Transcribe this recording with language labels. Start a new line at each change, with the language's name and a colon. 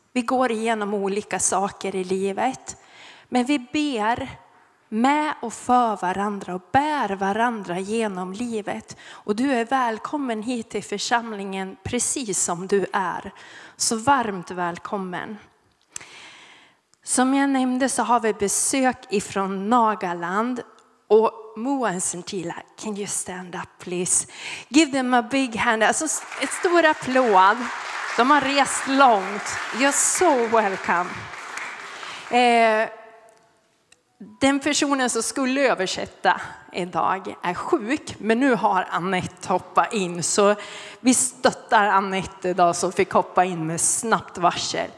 Swedish: Vi går igenom olika saker i livet. Men vi ber med och för varandra och bär varandra genom livet. Och du är välkommen hit i församlingen precis som du är. Så varmt välkommen. Som jag nämnde så har vi besök ifrån Nagaland.
English: Och Moa and Centila, can you stand up please? Give them a big hand.
Swedish: Alltså ett stort applåd. De har rest långt.
English: You're so welcome.
Swedish: Den personen som skulle översätta idag är sjuk. Men nu har Annette hoppat in. Så vi stöttar Annette idag som fick hoppa in med snabbt varsel.